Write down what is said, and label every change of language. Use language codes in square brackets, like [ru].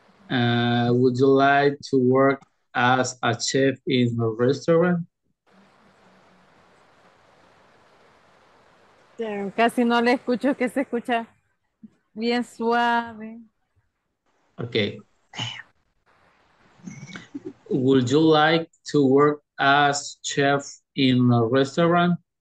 [en] Would you like to work as a chef in a restaurant? [es] Casi no le escucho, que se escucha bien suave. [en] Okay. Would you like to work as chef in a restaurant?